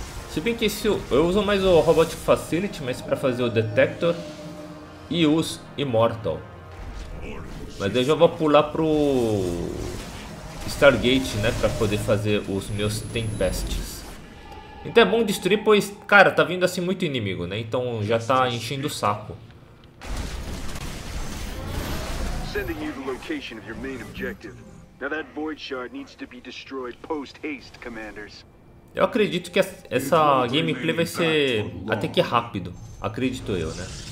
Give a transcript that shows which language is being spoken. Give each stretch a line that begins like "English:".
Portuguese: Se bem que esse, eu uso mais o Robotic Facility, mas para fazer o Detector e os Immortal. Mas eu já vou pular pro Stargate, né, para poder fazer os meus Tempests. Então é bom destruir, pois, cara, tá vindo assim muito inimigo, né? Então já tá enchendo o saco.
English: Sending you the location of your main objective. Now that void shard needs to be destroyed post haste, commanders.
Portuguese: Eu acredito que essa gameplay vai ser até que rápido, acredito eu, né?